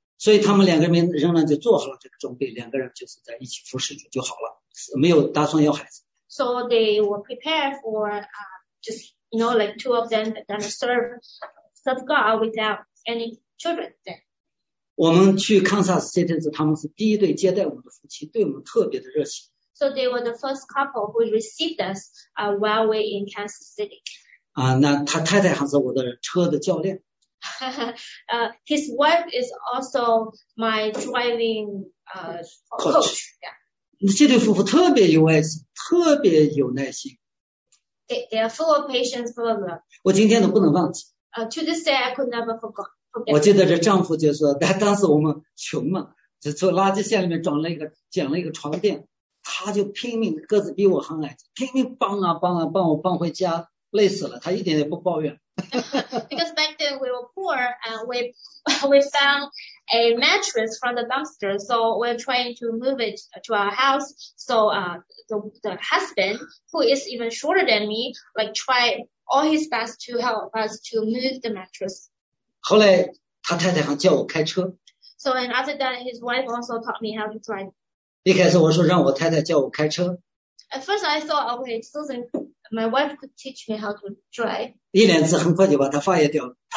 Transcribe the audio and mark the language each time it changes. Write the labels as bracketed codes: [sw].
[zh] 所以他们两个人仍然就做好了这个准备，两个人就是在一起服侍主就好了，没有打算要孩子。 [en] So they were prepared for, just, you know, like two of them that are serve God without any children. [zh] 我们去 Kansas City 时，他们是第一对接待我们的夫妻，对我们特别的热情。 [en] So they were the first couple who received us, while we're in Kansas City. [zh] 那他太太还是我的车的教练。 [en] his wife is also my driving, coach. [zh] 这对夫妇特别有爱心，特别有耐心。 [en] They are full of patience, full of love. [zh] 我今天都不能忘记。 [en] To this day, I could never forget. [zh] 我记得这丈夫就说，当时我们穷嘛，就从垃圾箱里面捡了一个床垫，他就拼命，个子比我还矮，拼命帮啊帮啊，帮我搬回家。累死了，他一点也不抱怨。 [en] Because back then we were poor and we found a mattress from the dumpster, so we're trying to move it to our house. So the husband who is even shorter than me, like tried all his best to help us to move the mattress. [zh] 后来他太太还叫我开车。 [en] So and after that, his wife also taught me how to drive. [zh] 一开始我说让我太太叫我开车。 [en] At first, I thought, okay, Susan. My wife could teach me how to drive. [zh] 一两次很快就把它 fire 掉了。